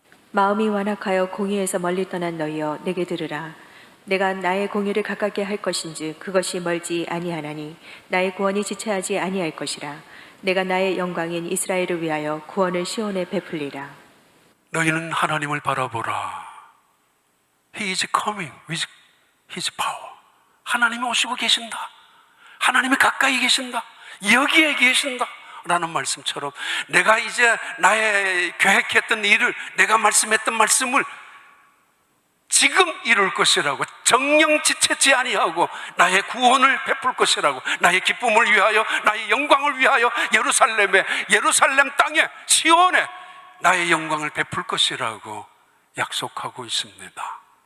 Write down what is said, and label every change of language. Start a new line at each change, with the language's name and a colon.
Korean: 마음이 완악하여 공의에서 멀리 떠난 너희여, 내게 들으라. 내가 나의 공의를 가깝게 할 것인즉 그것이 멀지 아니하나니 나의 구원이 지체하지 아니할 것이라. 내가 나의 영광인 이스라엘을 위하여 구원을 시온에 베풀리라. 너희는 하나님을 바라보라.
English: He is coming with his power.
Korean: 하나님이 오시고 계신다. 하나님이 가까이 계신다. 여기에 계신다. 라는 말씀처럼 내가 이제 나의 계획했던 일을, 내가 말씀했던 말씀을 지금 이룰 것이라고, 정령 지체지 아니하고 나의 구원을 베풀 것이라고, 나의 기쁨을 위하여, 나의 영광을 위하여 예루살렘에, 예루살렘 땅에, 시온에 나의 영광을 베풀 것이라고 약속하고 있습니다.